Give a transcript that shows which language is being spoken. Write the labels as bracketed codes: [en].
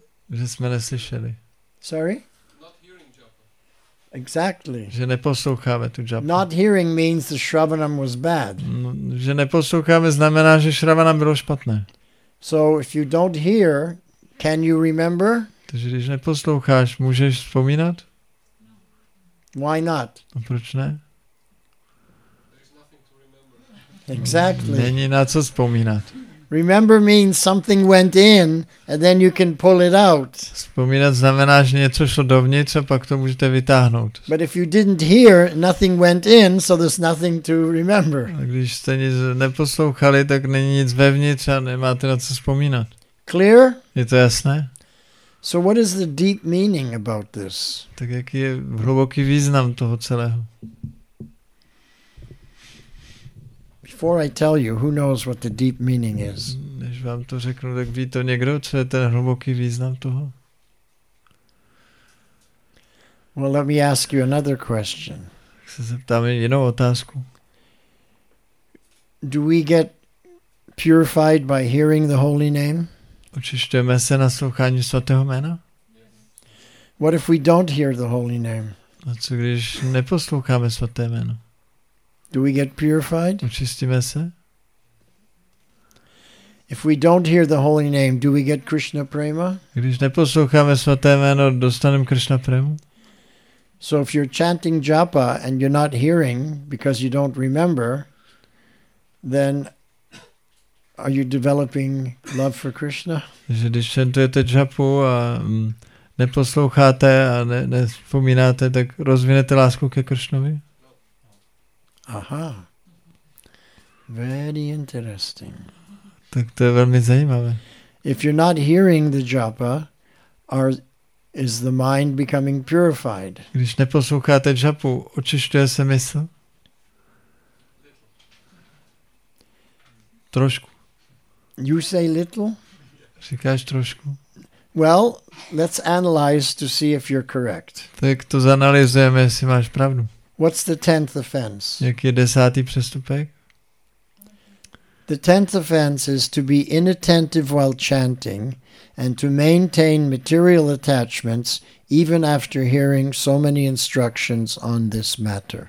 [cs] Že jsme neslyšeli. [en] Sorry? Exactly. [cs] Že neposloucháme tu japu. [en] Not hearing means the shravanam was bad. [cs] Že neposloucháme znamená, že shravanam bylo špatné. [en] So if you don't hear, can you remember? [cs] Takže když neposloucháš, můžeš vzpomínat? [en] Why not? [cs] A proč ne? [en] Exactly. [cs] Není na co vzpomínat. [en] Remember means something went in and then you can pull it out. [cs] Vzpomínat znamená, že něco šlo dovnitř a pak to můžete vytáhnout. [en] But if you didn't hear, nothing went in, so there's nothing to remember. [cs] A když jste nic neposlouchali, tak není nic vevnitř a nemáte na co vzpomínat. [en] Clear? [cs] Je to jasné? [en] So what is the deep meaning about this? [cs] Tak jaký je hluboký význam toho celého? [en] Before I tell you, who knows what the deep meaning is? [cs] Než vám to řeknu, tak ví to někdo, co je ten hluboký význam toho? [en] Well, let me ask you another question. [cs] Se zeptám jinou otázku. [en] Do we get purified by hearing the holy name? [cs] Očišťujeme se na slouchání svatého jména? [en] What if we don't hear the holy name? [cs] A co když neposloucháme svaté jméno? [en] Do we get purified? [cs] Očistíme se? [en] If we don't hear the holy name, do we get Krishna prema? [cs] Když neposloucháme svaté jméno, dostaneme Krishna prema? [en] So if you're chanting japa and you're not hearing because you don't remember, then are you developing love for Krishna? [cs] Když chantujete japu a neposloucháte a nevzpomínáte, tak rozvinete lásku ke Krishnovi? [en] Aha. Very interesting. [cs] Tak to je velmi zajímavé. [en] If you're not hearing the japa, is the mind becoming purified? [cs] Když neposloucháte japu, očišťuje se mysl? Trošku. [en] You say little? [cs] Říkáš trošku. [en] Well, let's analyze to see if you're correct. [cs] Tak to zanalizujeme, jestli máš pravdu. [en] What's the 10th offense? [cs] Jaký je desátý přestupek? [en] The 10th offense is to be inattentive while chanting and to maintain material attachments even after hearing so many instructions on this matter.